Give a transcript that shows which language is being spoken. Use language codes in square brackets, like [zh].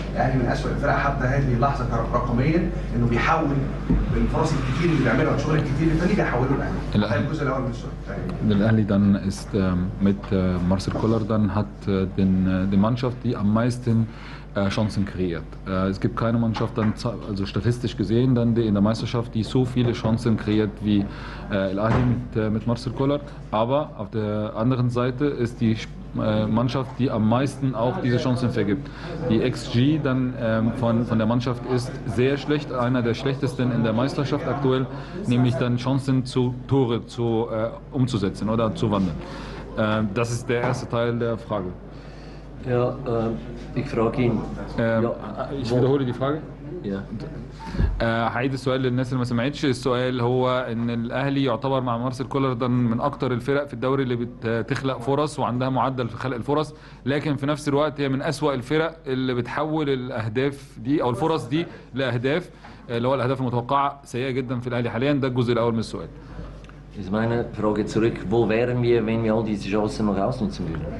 [ar] الاهلي من اسوء الفرق حتى هذه اللحظه رقميا، انه بيحول بالفرص الكتير اللي بيعملها والشغل الكتير اللي بيحوله الاهلي. ده الجزء الاول من السؤال. [de] الاهلي دان است ميت مارسيل كولر دان هات دن دي مانشافت دي ام مايستن Chancen kreiert. Es gibt keine Mannschaft, dann, also statistisch gesehen, dann die in der Meisterschaft, die so viele Chancen kreiert wie El Ahly mit Marcel Koller. Aber auf der anderen Seite ist die Mannschaft, die am meisten auch diese Chancen vergibt. Die XG dann von der Mannschaft ist sehr schlecht, einer der schlechtesten in der Meisterschaft aktuell, nämlich dann Chancen zu Tore zu, umzusetzen oder zu wandeln. Das ist der erste Teil der Frage. Ja, ich frage ihn. Ja, ich wiederhole die Frage. Ja. [ar] هعيد السؤال للناس اللي ما سمعتش. السؤال هو ان الاهلي يعتبر مع مارسيل كولر ده من اكتر الفرق في الدوري اللي بتخلق فرص وعندها معدل في خلق الفرص، لكن في نفس الوقت هي من اسوأ الفرق اللي بتحول الاهداف دي او الفرص دي لاهداف، اللي هو الاهداف المتوقعه سيئه جدا في الاهلي حاليا. ده الجزء الاول من السؤال. [de] Ist meine Frage zurück, wo wären wir, wenn wir all diese Chancen noch ausnutzen würden?